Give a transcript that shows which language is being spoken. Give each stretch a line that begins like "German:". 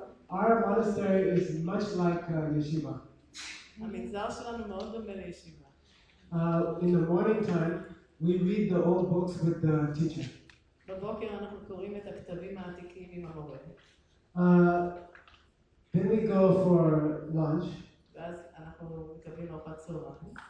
English: Our monastery is much like yeshiva.
Hebrew: המנזר שלנו מאוד דומה לישיבה.
English: In the morning time, we read the old books with the teacher.
Hebrew: בבוקר אנחנו קוראים את הכתבים העתיקים עם המורה.
English: Then we go for lunch.
Hebrew: ואז אנחנו מקבלים ארוחת צהריים.